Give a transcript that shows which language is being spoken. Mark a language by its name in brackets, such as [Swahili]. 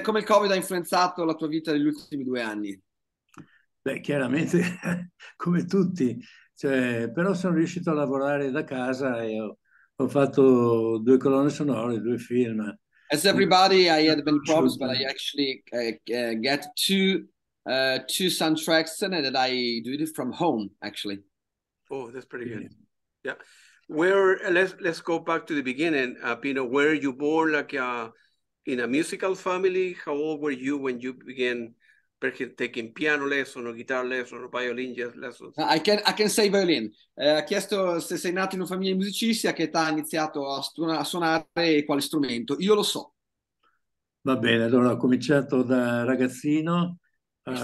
[Italian] Come il COVID ha influenzato la tua vita negli ultimi 2 anni? Beh, chiaramente, come tutti. Cioè, però sono riuscito a lavorare da casa e ho fatto due colonne sonore, due film. [English] As everybody, I had been problems, but I actually get two soundtracks and that I do it from home, actually. Oh, that's pretty good. Yeah. Let's go back to the beginning. Pino, were you born like in a musical family? How old were you when you began taking piano lessons or guitar lessons or violin lessons? I can say violin. [Italian] Ha chiesto se sei nato in una famiglia di musicisti, a che età hai iniziato a suonare e quale strumento. Io lo so. Va bene, allora ho cominciato da ragazzino a